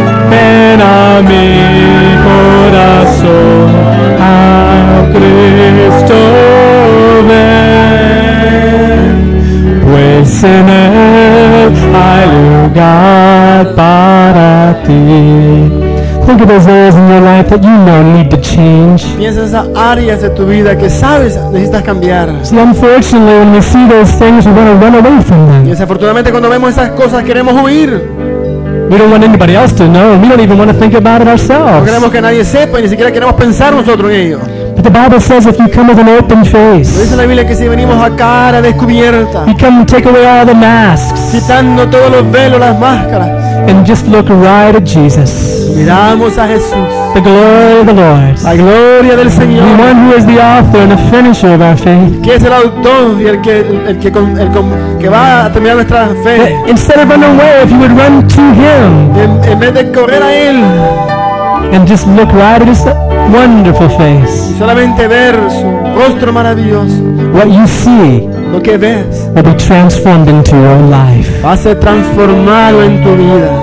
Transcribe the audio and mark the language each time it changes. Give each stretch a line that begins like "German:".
Spanish: Ven a mi corazón, Cristo, ven, pues en él hay lugar para ti.
English: Think of those areas in your life that you know need to change. See, unfortunately, when we see those things, we want to run away from them.
Spanish: Desafortunadamente, cuando vemos esas cosas, queremos huir.
English: We don't want anybody else to know. We don't even want to think about it ourselves.
Spanish: No queremos que nadie sepa, ni siquiera queremos pensar nosotros en ello.
English: But the Bible says if you come with an open face,
Spanish: dice la Biblia que si venimos a cara descubierta,
English: you come and take away all the masks,
Spanish: quitando todos los velos, las máscaras,
English: and just look right at Jesus.
Spanish: Miramos a Jesús.
English: The glory of the Lord.
Spanish: La gloria del Señor.
English: The one who is the author and the finisher of our faith.
Spanish: Que es el autor y el que va a terminar nuestra fe.
English: Instead of running away, if you would run to Him.
Spanish: En vez de correr a Él.
English: And just look right at His wonderful face.
Spanish: Y solamente ver su rostro maravilloso.
English: What you see,
Spanish: lo que ves,
English: will be transformed into your own life.
Spanish: Va a ser transformado en tu vida.